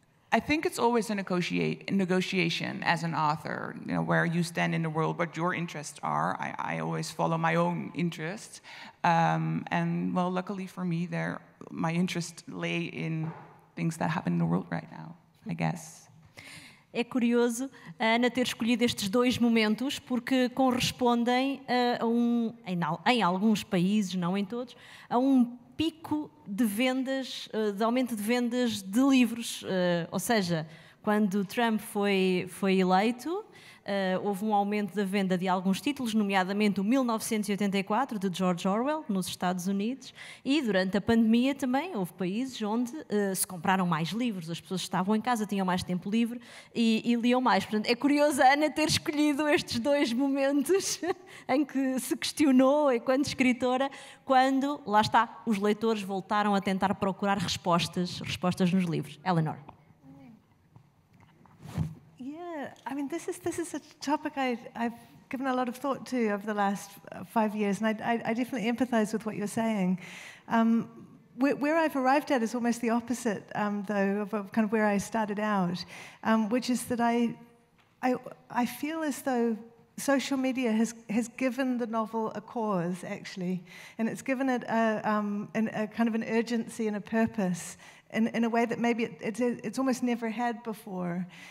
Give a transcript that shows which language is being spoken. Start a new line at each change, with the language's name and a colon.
English: I think it's always a negotiation as an author, you know, where you stand in the world, what your interests are. I always follow my own interests. And well, luckily for me, there, my interest lay in things that happen in the world right now, I guess.
Portuguese: É curioso a Ana ter escolhido estes dois momentos, porque correspondem em alguns países, não em todos, a um pico de vendas, de aumento de vendas de livros. Ou seja, quando Trump foi eleito, houve um aumento da venda de alguns títulos, nomeadamente o 1984, de George Orwell, nos Estados Unidos, e durante a pandemia também houve países onde se compraram mais livros, as pessoas estavam em casa, tinham mais tempo livre e liam mais. Portanto, é curioso a Ana ter escolhido estes dois momentos em que se questionou, enquanto escritora, quando, lá está, os leitores voltaram a tentar procurar respostas nos livros. Eleanor.
English: I mean, this is a topic I've given a lot of thought to over the last 5 years, and I definitely empathize with what you're saying. Where I've arrived at is almost the opposite, though, of kind of where I started out, which is that I feel as though social media has given the novel a cause, actually, and it's given it a kind of an urgency and a purpose in a way that maybe it's almost never had before.